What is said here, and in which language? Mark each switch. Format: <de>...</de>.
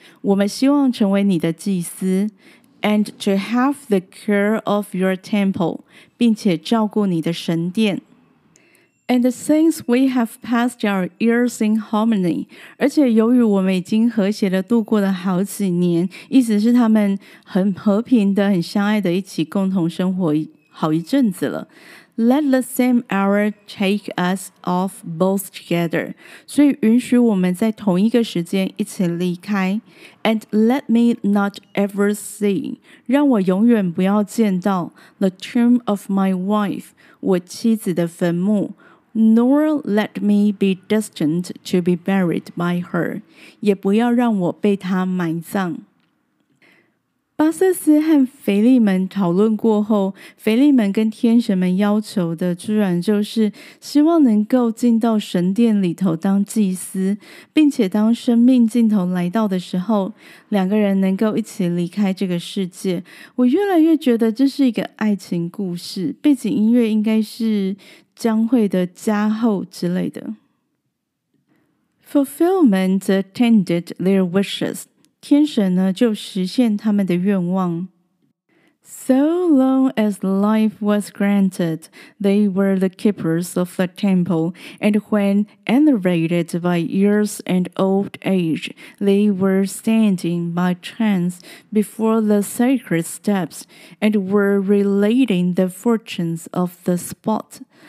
<zh>我们希望成为你的祭司</zh> <en>And to have the care of your temple,</en> <zh>并且照顾你的神殿。 And since we have passed our years in harmony, 而且由于我们已经和谐的度过了好几年，意思是他们很和平的、很相爱的一起共同生活好一阵子了。</zh> <en>Let the same hour take us off both together.</en> <zh>所以允许我们在同一个时间一起离开。</zh> <en>And let me not ever see, 让我永远不要见到 the tomb of my wife, 我妻子的坟墓。 Nor let me be destined to be buried by her, 也不要让我被她埋葬。</en> <zh>巴瑟斯和腓力门讨论过后，腓力门跟天神们要求的居然就是希望能够进到神殿里头当祭司，并且当生命尽头来到的时候，两个人能够一起离开这个世界。我越来越觉得这是一个爱情故事，背景音乐应该是将会的加厚之类的。</zh> <en>Fulfillment attended their wishes.</en> <zh>天神呢就实现他们的愿望。</zh> <en>So long as life was granted, they were the keepers of the temple, and when enervated by years and old age, they were standing by chance before the sacred steps and were relating the fortunes of the spot.</en>